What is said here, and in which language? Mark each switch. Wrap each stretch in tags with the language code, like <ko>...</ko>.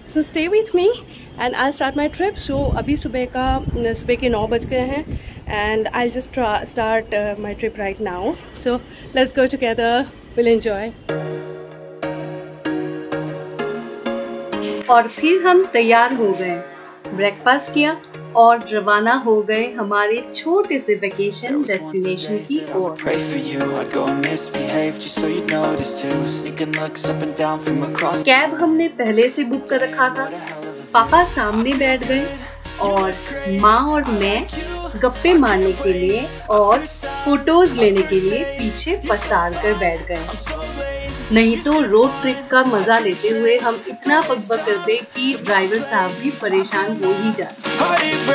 <en>So stay with me and I start my trip. So अभी सुबह के 9 बज गए हैं, and I just start my trip right now. So let's go together, will enjoy.</en> <hi>और फिर हम तैयार हो गए, ब्रेकफास्ट किया और रवाना हो गए हमारे छोटे से वेकेशन डेस्टिनेशन की ओर.</hi> <en>Pray for you, I'd go and misbehave just so you'd notice too. Sneaking looks up and down from across.</en> <hi>Cab हमने पहले से बुक कर रखा था, पापा सामने बैठ गए और माँ और मैं गप्पे मारने के लिए और फोटोज लेने के लिए पीछे पसार कर बैठ गए. नहीं तो रोड ट्रिप का मजा लेते हुए हम इतना बकबक करते कि ड्राइवर साहब भी परेशान हो ही जाते.</hi>